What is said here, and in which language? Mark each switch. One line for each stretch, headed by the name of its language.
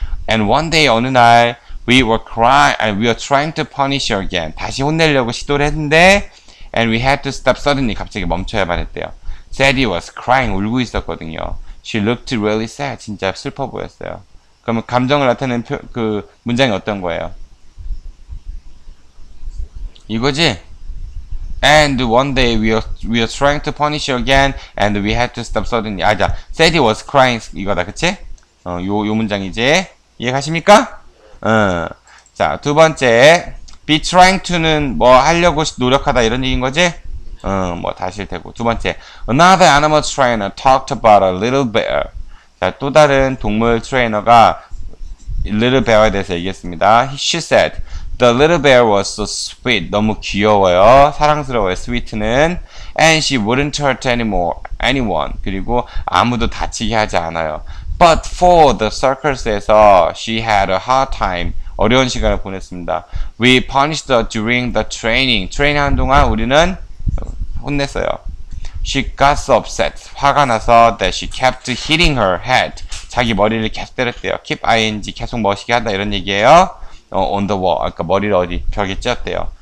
English: And one day,
Korean: 어느 날,
English: we were trying to punish her again.
Korean: 다시 혼내려고 시도를 했는데,
English: And we had to stop suddenly.
Korean: 갑자기 멈춰야만 했대요.
English: Sadie was crying.
Korean: 울고 있었거든요.
English: She looked really sad.
Korean: 진짜 슬퍼 보였어요. 그러면 감정을 나타내는 그 문장이 어떤 거예요? 이거지?
English: And one day we were trying to punish you again and we had to stop suddenly.
Korean: 아, 자,
English: Sadie was crying.
Korean: 이거다, 그치? 요 문장이지. 이해가십니까? 자, 두 번째. Be trying to는 뭐 하려고 노력하다 이런 얘기인 거지? 뭐 다실 테고. 두 번째.
English: Another animal trainer talked about a little bear.
Korean: 자, 또 다른 동물 트레이너가 little bear에 대해서 얘기했습니다.
English: She said, The little bear was so sweet.
Korean: 너무 귀여워요. 사랑스러워요.
English: Sweet는. And she wouldn't hurt anyone.
Korean: 그리고 아무도 다치게 하지 않아요.
English: But for the circus에서 she had a hard time.
Korean: 어려운 시간을 보냈습니다.
English: We punished her during the training.
Korean: 트레이닝하는 동안 우리는 혼냈어요.
English: She got so upset.
Korean: 화가 나서
English: that she kept hitting her head.
Korean: 자기 머리를 계속 때렸대요. Keep ing. 계속 멋있게 한다. 이런 얘기예요.
English: On the wall.
Korean: 아까 머리를 어디 벽에 쪘대요.